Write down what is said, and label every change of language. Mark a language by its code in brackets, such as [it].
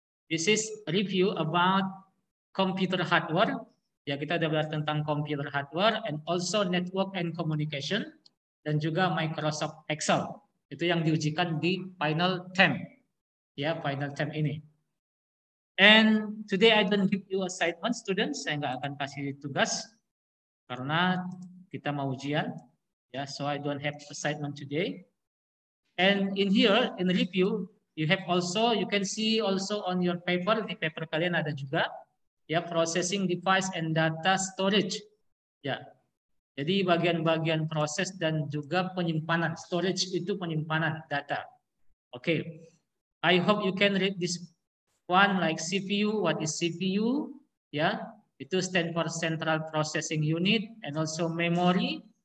[en] This is review about computer hardware. [id] Ya, kita ada belajar tentang [en] computer hardware and also network and communication [id] dan juga Microsoft Excel. Itu yang diujikan di final term. Ya, final term ini. [en] And today I don't give you assignment, students. [id] Saya nggak akan kasih tugas karena kita mau ujian. [en] Ya, so I don't have assignment today. And in here, in review, you have also, you can see also on your paper, [id] di paper kalian ada juga, [en] ya, processing device and data storage. [id] Ya, jadi bagian-bagian proses dan juga penyimpanan. Storage itu penyimpanan data. [en] Oke, okay. I hope you can read this one like CPU, what is CPU, ya, itu stand for Central Processing Unit, and also memory.